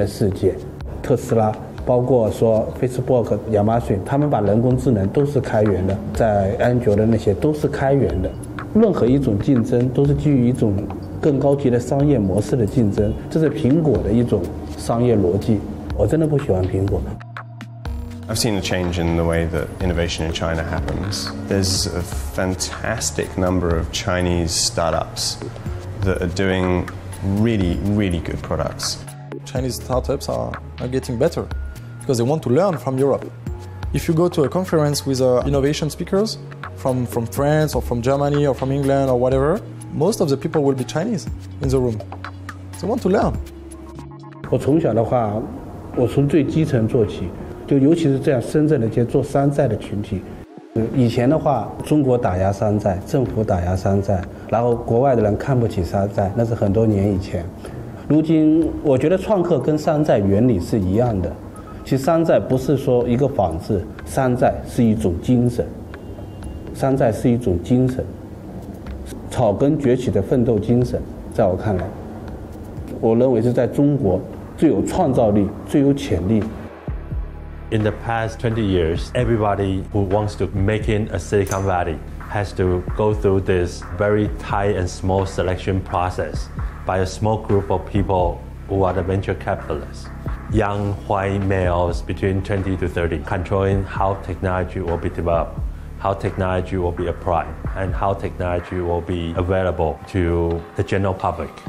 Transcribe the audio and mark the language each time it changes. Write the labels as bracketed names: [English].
[Chinese] 他就不再是做山寨，他去做自己的研发，做自己各种品牌。但是现在我们在知识产权这个意识形态上已经非常非常的强烈。人家抄袭了我，然后他在AliExpress、在eBay、在亚马逊上卖，我就可以很快的投诉他，他很快就要下架。这个世界我觉得应该是一个开源的世界，特斯拉。包括说Facebook、亚马逊，他们把人工智能都是开源的，在安卓的那些都是开源的。任何一种竞争都是基于一种更高级的商业模式的竞争，这是苹果的一种商业逻辑。我真的不喜欢苹果。 [English] I've seen a change in the way that innovation in China happens. There's a fantastic number of Chinese startups that are doing really, really good products. Chinese startups are getting better. Because they want to learn from Europe. If you go to a conference with innovation speakers from France or from Germany or from England or whatever, most of the people will be Chinese in the room. They want to learn. [Chinese] 我从小的话，我从最基层做起，就尤其是这样深圳的这些做山寨的群体。以前的话，中国打压山寨，政府打压山寨，然后国外的人看不起山寨，那是很多年以前。如今，我觉得创客跟山寨原理是一样的。其实山寨不是说一个仿制，山寨是一种精神。山寨是一种精神，草根崛起的奋斗精神，在我看来，我认为是在中国最有创造力、最有潜力。 [English] In the past 20 years, everybody who wants to make in a Silicon Valley has to go through this very tight and small selection process by a small group of people who are the venture capitalists. Young white males between 20 to 30 controlling how technology will be developed, how technology will be applied, and how technology will be available to the general public.